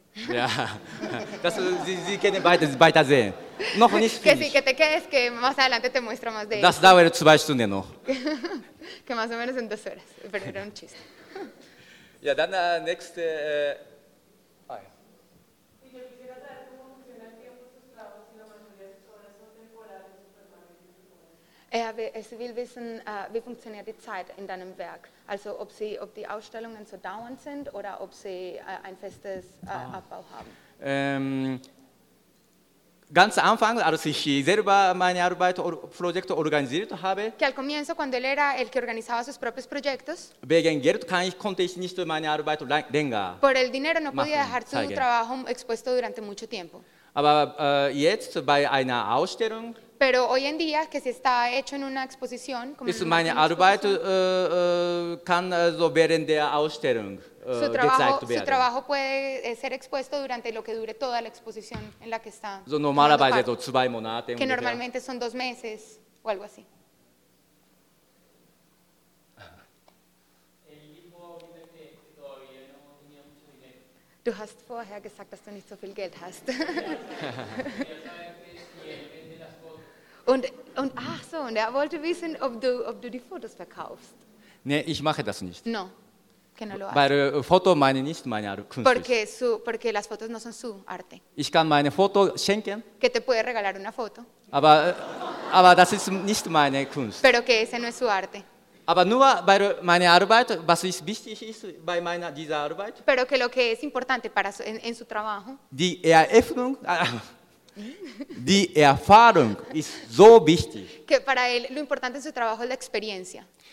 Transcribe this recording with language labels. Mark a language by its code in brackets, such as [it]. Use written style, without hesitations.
[de] Ja, das, Sie können weiter sehen. Noch nicht [es] viel. Que sí, que te quedes, que más adelante te muestro más de. [de] Das dauert 2 Stunden noch. [es] Que más o menos en 2 horas, pero era un chiste. [de] Ja, dann nächste. Es will wissen, wie funktioniert die Zeit in deinem Werk. Also ob die Ausstellungen so dauernd sind oder ob sie ein festes Abbau haben. Ganz am Anfang, als ich selber meine Arbeitsprojekte organisiert habe, [es] que al comienzo, cuando él era el que organizaba sus propios proyectos, [de] wegen Geld konnte ich nicht meine Arbeit länger machen. [es] Por el dinero no podía dejar su trabajo expuesto durante mucho tiempo. [de] Aber jetzt bei einer Ausstellung, [es] pero hoy en día, que si está hecho en una exposición, [de] como ist meine [es] una [de] Arbeit, kann so während der Ausstellung [es] su trabajo, [de] gezeigt werden. [es] Su trabajo puede ser expuesto durante lo que dure toda la exposición en la que está. [de] So normalerweise so 2 Monate. [es] Que ungefähr. Normalmente son 2 meses o algo así. [de] Du hast vorher gesagt, dass du nicht so viel Geld hast. Und er wollte wissen, ob du die Fotos verkaufst. Nee, ich mache das nicht. [es] No, que no lo hace. [de] Weil Foto meine nicht meine Kunst. [es] Porque las fotos no son su arte. [de] Ich kann meine Foto schenken. [es] Que te puede regalar una foto. [de] Aber das ist nicht meine Kunst. [es] Pero que ese no es su arte. [de] Aber nur bei meiner Arbeit, was ist wichtig ist bei meiner dieser Arbeit? [es] Pero que lo que es importante para en su trabajo. [de] Die Eröffnung. Die Erfahrung ist so wichtig. [es] Que para él lo importante en su trabajo es la experiencia.